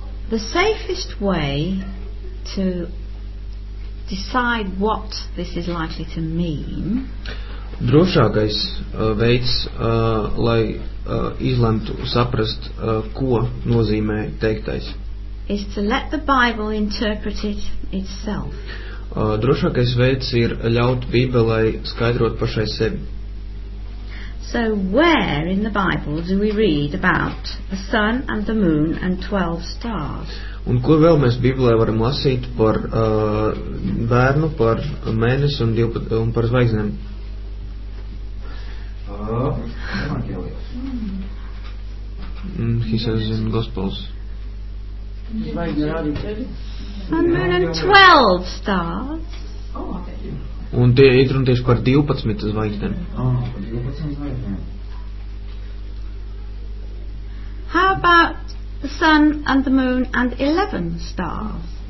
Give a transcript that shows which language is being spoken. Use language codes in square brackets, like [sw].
[en] The safest way to decide what this is likely to mean. [lv] Drošākais veids, lai izlemtu saprast, ko nozīmē teiktais. [en] Is to let the Bible interpret it itself. [lv] Drošākais veids ir ļaut Bībelei skaidrot pašai sevi. [en] So where in the Bible do we read about the sun and the moon and 12 stars? [lv] Un kur vēl mēs Bībelē varam lasīt par bērnu, par mēnesi un, un par zvaigznēm? [en] He says in Gospels. Sun, moon and 12 stars. [lv] Un tie ir un tieši par 12 zvaigznēm. [en] How about the sun and the moon and 11 stars?